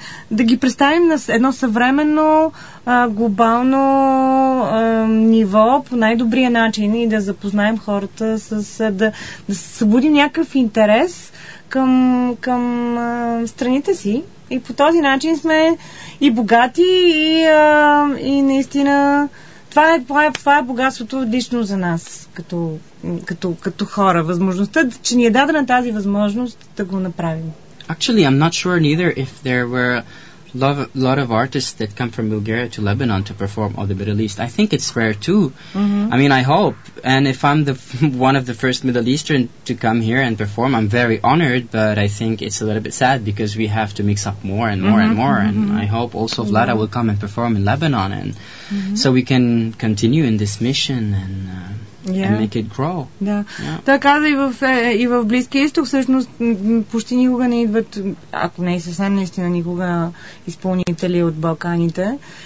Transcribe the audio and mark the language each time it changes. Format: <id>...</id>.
<bg>да ги представим на едно съвременно глобално ниво по най-добрия начин и да запознаем хората с да събуди някакъв интерес към страните си. И по този начин сме и богати, и наистина това е богатството лично за нас, като хора. Възможността, че ни е дадена тази възможност да го направим.</bg> <en>Actually, I'm not sure neither if there were a lot of artists that come from Bulgaria to Lebanon to perform or the Middle East. I think it's rare too. Mm-hmm. I mean, I hope. And if I'm one of the first Middle Eastern to come here and perform, I'm very honored, but I think it's a little bit sad because we have to mix up more and more, mm-hmm, and more. Mm-hmm. And I hope also Vlada, yeah, will come and perform in Lebanon, and mm-hmm, so we can continue in this mission and yeah, and make it grow.</en> <bg>Да. Та каза и в Близкия изток, всъщност почти никога не идват, ако не и съвсем наистина никога, изпълнители от Балканите.</bg>